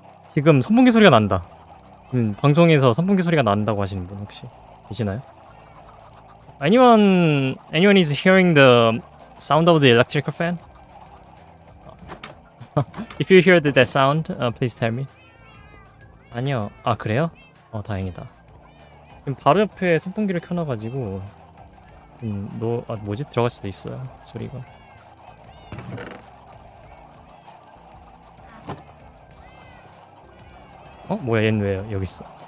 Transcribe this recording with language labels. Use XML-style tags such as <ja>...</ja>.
<ko>지금 선풍기 소리가 난다. 방송에서 선풍기 소리가 난다고 하시는 분 혹시 계시나요?</ko> <en>Anyone is hearing the sound of the electrical fan? If you hear that sound, please tell me.</en> <ko>아니요. 아, 그래요? 어, 다행이다. 지금 바로 옆에 선풍기를 켜놔가지고, 뭐지? 들어갈 수도 있어요. 소리가. 어? 뭐야, 얘는 왜 여기 있어?</ko>